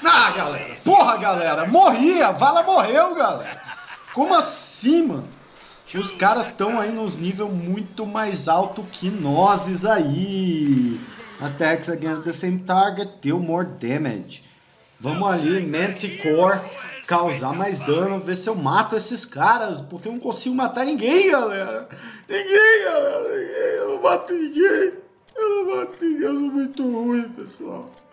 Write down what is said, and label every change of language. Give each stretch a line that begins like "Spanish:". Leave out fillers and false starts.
Portuguese: Ah, galera. Porra, galera. Morria. Vala morreu, galera. Como assim, mano? Os caras estão aí nos níveis muito mais alto que nós aí.
English: Attacks against the same target deal more damage.
Portuguese: Vamos ali, Manticore, causar mais dano, ver se eu mato esses caras, porque eu não consigo matar ninguém, galera. Ninguém, galera, ninguém. Eu não mato ninguém. Eu não mato ninguém, eu sou muito ruim, pessoal.